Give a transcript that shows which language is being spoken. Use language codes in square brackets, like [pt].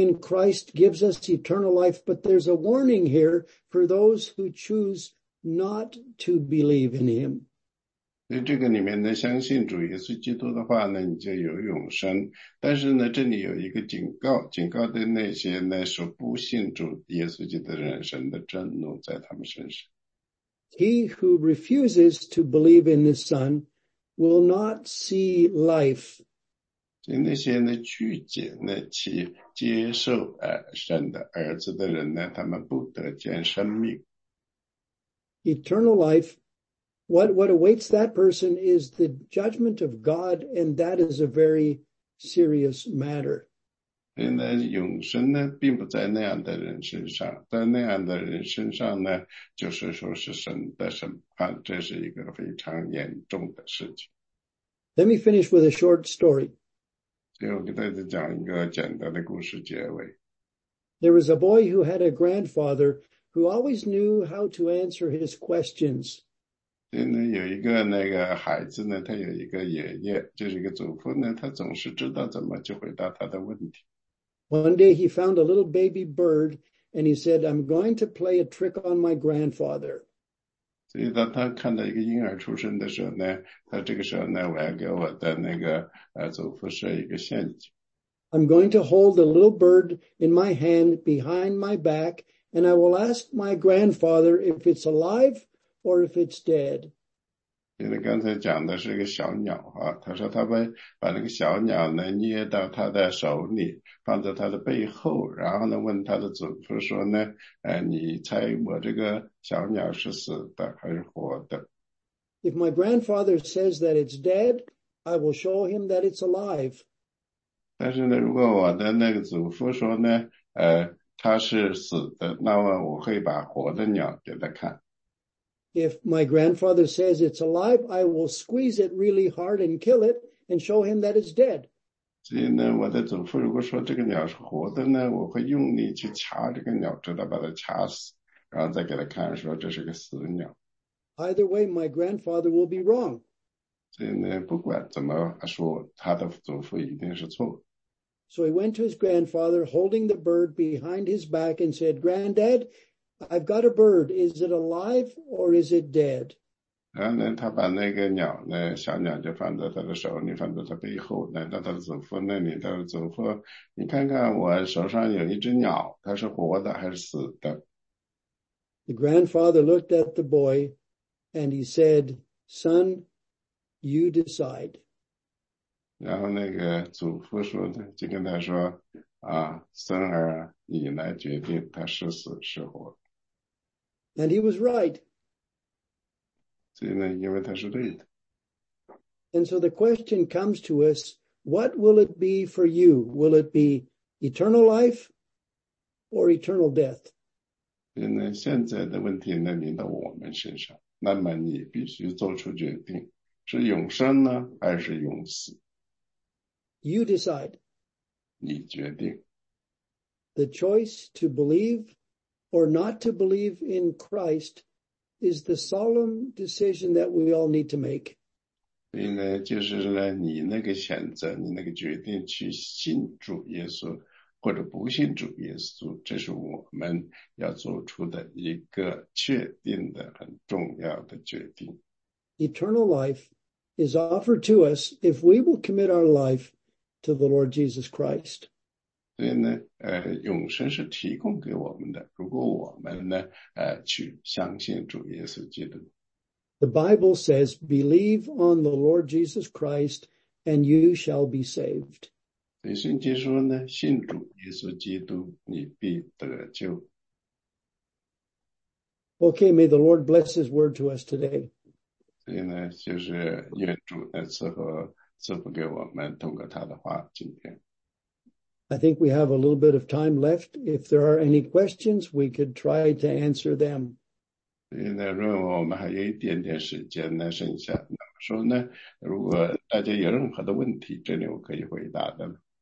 [en] in Christ gives us eternal life, but there's a warning here for those who choose not to believe in Him. [zh] 所以这个里面呢，相信主耶稣基督的话呢，你就有永生。但是呢，这里有一个警告，警告对那些呢说不信主耶稣基督的人，神的震怒在他们身上。 [en] He who refuses to believe in the Son will not see life. [zh] 所以那些呢，拒绝呢，去接受神的儿子的人呢，他们不得见生命。 [en] Eternal life, what awaits that person is the judgment of God, and that is a very serious matter. [zh] 因为永生呢，并不在那样的人身上，在那样的人身上呢，就是说是神的审判，这是一个非常严重的事情。 [en] Let me finish with a short story. [zh] 所以我给大家讲一个简单的故事结尾。 [en] There was a boy who had a grandfather who always knew how to answer his questions. [zh] 有一个那个孩子呢，他有一个爷爷，就是一个祖父呢，他总是知道怎么去回答他的问题。 [en] One day he found a little baby bird and he said, I'm going to play a trick on my grandfather. [zh] 所以当他看到一个婴儿出生的时候呢，他这个时候呢，我要给我的那个祖父设一个陷阱。 [en] I'm going to hold a little bird in my hand behind my back and I will ask my grandfather if it's alive or if it's dead. [zh] 因为刚才讲的是一个小鸟啊，他说他把那个小鸟呢捏到他的手里，放在他的背后，然后呢问他的祖父说呢，你猜我这个小鸟是死的还是活的？ [en] If my grandfather says that it's dead, I will show him that it's alive. [zh] 但是呢，如果我的那个祖父说呢，他是死的，那么我会把活的鸟给他看。 [en] If my grandfather says it's alive, I will squeeze it really hard and kill it and show him that it's dead. [zh] 所以呢，我的祖父如果说这个鸟是活的呢，我会用力去掐这个鸟，直到把它掐死，然后再给他看，说这是个死鸟。 [en] Either way, my grandfather will be wrong. [zh] 所以呢，不管怎么说，他的祖父一定是错。 [en] So he went to his grandfather, holding the bird behind his back, and said, "Granddad, I've got a bird. Is it alive or is it dead?" [zh] 然后呢，他把那个鸟呢，小鸟就放在他的手里，放在他背后，来到他的祖父那里。他说：“祖父，你看看我手上有一只鸟，它是活的还是死的？” [en] The grandfather looked at the boy, and he said, "Son, you decide." [zh] 然后那个祖父说呢，就跟他说：“啊，孙儿，你来决定他是死是活。” [en] And he was right. [zh] 所以呢，因为他是对的。 [en] And so the question comes to us, what will it be for you? Will it be eternal life or eternal death? [zh] 所以呢，现在的问题呢，临到我们身上。那么你必须做出决定，是永生呢，还是永死？ [en] You decide. [zh] 你决定。 [en] The choice to believe or not to believe in Christ is the solemn decision that we all need to make. [zh] 所以呢，就是呢，你那个选择，你那个决定去信主耶稣或者不信主耶稣，这是我们要做出的一个确定的很重要的决定。 [en] Eternal life is offered to us if we will commit our life to the Lord Jesus Christ. [zh] 所以呢，永生是提供给我们的，如果我们呢，去相信主耶稣基督。 [en] The Bible says, believe on the Lord Jesus Christ and you shall be saved. [zh] 所以圣经说呢，信主耶稣基督，你必得救。 [en] Okay, may the Lord bless his word to us today. [zh] 所以呢，就是愿主呢赐福给我们，通过他的话，今天。 [en] I think we have a little bit of time left. If there are any questions, we could try to answer them. [zh] 所以呢，如果我们还有一点点时间呢，剩下，那么说呢，如果大家有任何的问题，这里我可以回答的。